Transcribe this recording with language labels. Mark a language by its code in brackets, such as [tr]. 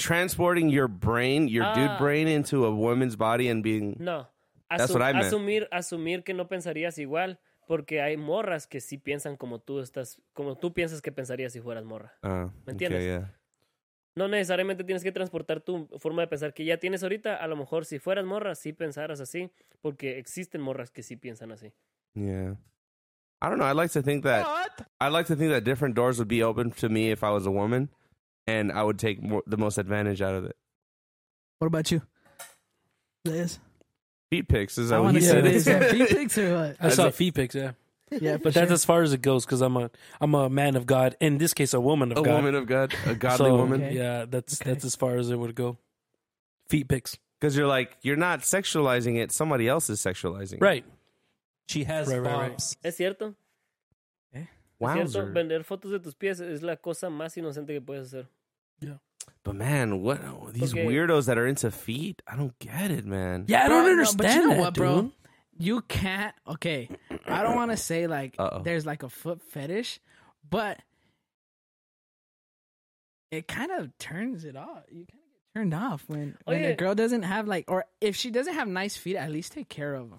[en] Transporting your brain, your dude brain, into a woman's body and being... No. That's what I meant. [es] Asumir que no pensarías igual porque hay morras que sí piensan como tú estás... Como tú piensas que pensarías si fueras morra. ¿Me entiendes? [en] Okay, yeah. [es] No necesariamente tienes que transportar tu forma de pensar que ya tienes ahorita. A lo mejor si fueras morra, sí pensaras así. Porque existen morras que sí piensan así. [en] Yeah. I don't know. I'd like to think that... What? I'd like to think that different doors would be open to me if I was a woman. And I would take the most advantage out of it. What about you? Yes. Feet pics. Is that I what you said? Feet pics or what? I saw feet pics, yeah. Yeah, but that's as far as it goes, because I'm a man of God. In this case, a woman of God. A woman of God. A godly woman. Okay. Yeah, that's as far as it would go. Feet pics. Because you're like, you're not sexualizing it. Somebody else is sexualizing right. it. She has bumps. [es] Es cierto. [en] Wowzer. [es] Vender fotos de tus pies es la cosa más inocente que puedes hacer. [en] But man, what these okay. weirdos that are into feet? I don't get it, man. Yeah, I don't understand but you know that, what, bro. Dude. You can't. Okay, I don't want to say like there's like a foot fetish, but it kind of turns it off. You kind of get turned off when a girl doesn't have like, or if she doesn't have nice feet, at least take care of them.